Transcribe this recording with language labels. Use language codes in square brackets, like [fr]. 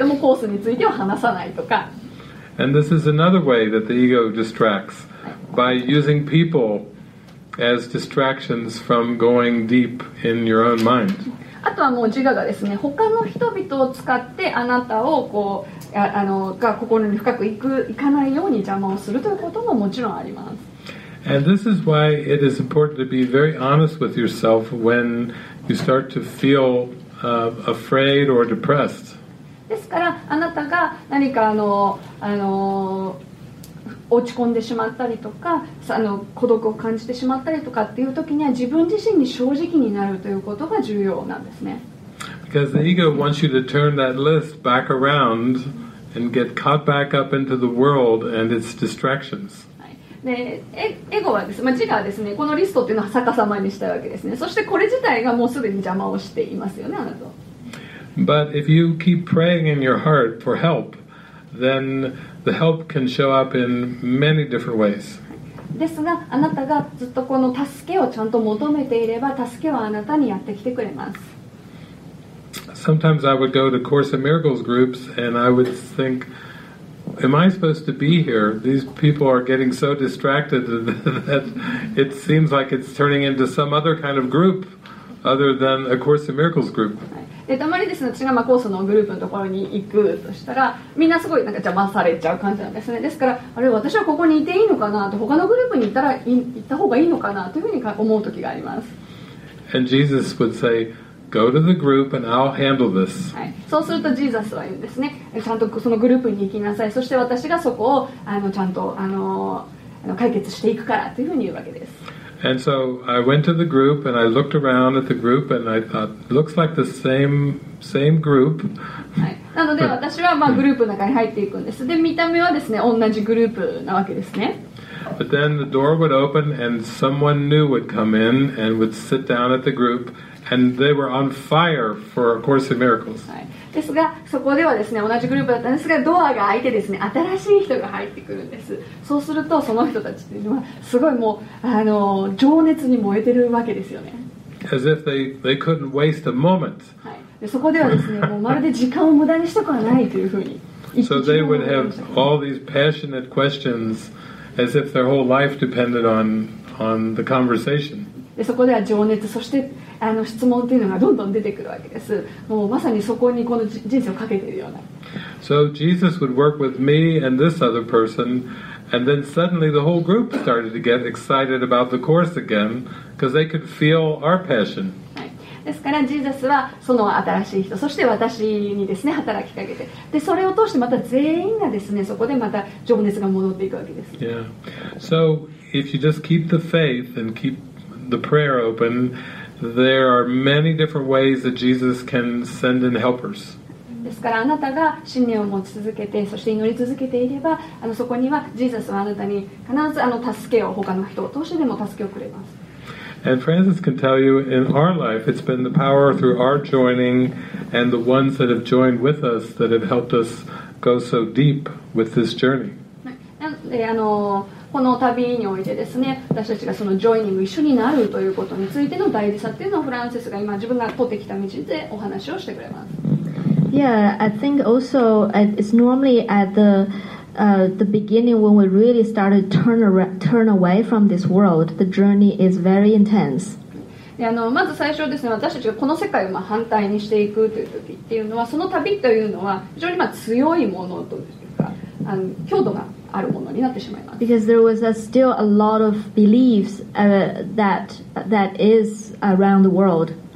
[en] And this is another way that the ego distracts, by using people as distractions from going deep in your own mind. [ja] あとはもう自我がですね、他の人々を使ってあなたをこうあのが心に深く行かないように邪魔をするということももちろんあります。 [en] And this is why it is important to be very honest with yourself when you start to feel afraid or depressed. [ja] ですから、あなたが何かあのあの落ち込んでしまったりとか、あの孤独を感じてしまったりとかっていう時には、自分自身に正直になるということが重要なんですね。 [en] Because the ego wants you to turn that list back around and get caught back up into the world and its distractions. [ja] でエゴはですね、まあ、自我はですね、このリストっていうのを逆さまにしたいわけですね。そしてこれ自体がもうすでに邪魔をしていますよね、あなた。 [en] But if you keep praying in your heart for help, then the help can show up in many different ways. [ja] ですが、あなたがずっとこの助けをちゃんと求めていれば、助けはあなたにやってきてくれます。 [en] Sometimes I would go to Course in Miracles groups and I would think,Am I supposed to be here? These people are getting so distracted that it seems like it's turning into some other kind of group other than a Course in Miracles group. [ja] で、たまにですね、私がまあコースのグループのところに行くとしたら、みんなすごいなんか邪魔されちゃう感じなんですね。ですから、あれ、私はここにいていいのかなと、他のグループに行った方がいいのかなというふうに思う時があります。 [en] And Jesus would say,Go to the group and I'll handle this. [ja] はい、そうするとジーザスは言うんですね。ちゃんとそのグループに行きなさい。そして私がそこをあのちゃんとあの解決していくからというふうに言うわけです。 [en] And so I went to the group and I looked around at the group and I thought, looks like the same group. [ja] なので私はまあグループの中に入っていくんです。で、見た目はですね、同じグループなわけですね。 [en] But then the door would open and someone new would come in and would sit down at the group and they were on fire for A Course in Miracles. [ja] ですが、そこではですね、同じグループだったんですが、ドアが開いてですね、新しい人が入ってくるんです。そうすると、その人たちっていうのは、すごいもう、情熱に燃えてるわけですよね。 [en] As if they couldn't waste a moment. [ja] はい。そこではですね、もうまるで時間を無駄にしたくはないというふうに。 [en] So they would have all these passionate questions as if their whole life depended on the conversation. [ja] でそこでは情熱そして質問というのがどんどん出てくるわけです。もうまさにそこにこの人生をかけているような。 [en] So Jesus would work with me and this other person, and then suddenly the whole group started to get excited about the course again because they could feel our passion.、 [ja] はい、ですからジーザスはその新しい人そして私にですね働きかけてでそれを通してまた全員がですねそこでまた情熱が戻っていくわけです。 [en] Yeah. So if you just keep the faith and keepThe prayer open. There are many different ways that Jesus can send in helpers. [ja] ですからあなたが信念を持ち続けてそして祈り続けていればそこにはジーザスはあなたに必ず助けを他の人を通してでも助けをくれます。 [en] And Francis can tell you in our life, it's been the power through our joining and the ones that have joined with us that have helped us go so deep with this journey. [ja] この旅においてですね私たちがそのジョイニング一緒になるということについての大事さっていうのをフランセスが今自分が取ってきた道でお話をしてくれます [en] Yeah, I think also it's normally at the beginning when we really started turn away from this world the journey is very intense [ja] でまず最初ですね私たちがこの世界をまあ反対にしていくという時っていうのはその旅というのは非常にまあ強いものというか強度があるものになってしまいます。 [en] Because there was still a lot of beliefs that is around the world.